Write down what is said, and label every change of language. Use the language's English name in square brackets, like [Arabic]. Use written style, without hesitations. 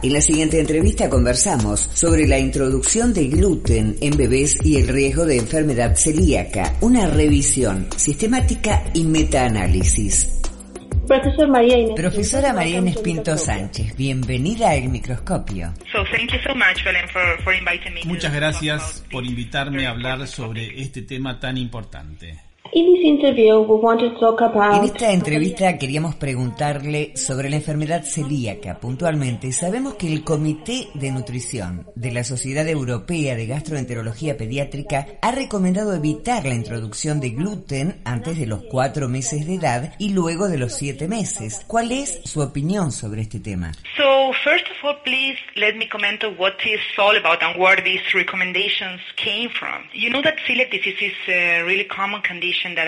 [Spanish] En la siguiente entrevista conversamos sobre la introducción de gluten en bebés y el riesgo de enfermedad celíaca, una revisión sistemática y metaanálisis. Profesor María Inés. Profesora María Inés Pinto Sánchez, bienvenida al microscopio. [English] So, thank you so much, Belén, for inviting me. [Spanish] Muchas gracias por invitarme a hablar sobre este tema tan importante. En esta entrevista queríamos preguntarle sobre la enfermedad celíaca puntualmente. Sabemos que el Comité de Nutrición de la Sociedad Europea de Gastroenterología Pediátrica ha recomendado evitar la introducción de gluten antes de los 4 meses de edad y luego de los 7 meses. ¿Cuál es su opinión sobre este tema? [English] So, first of all, please let me comment on what this is all about and where these recommendations came from. You know that celiac disease is a really common condition.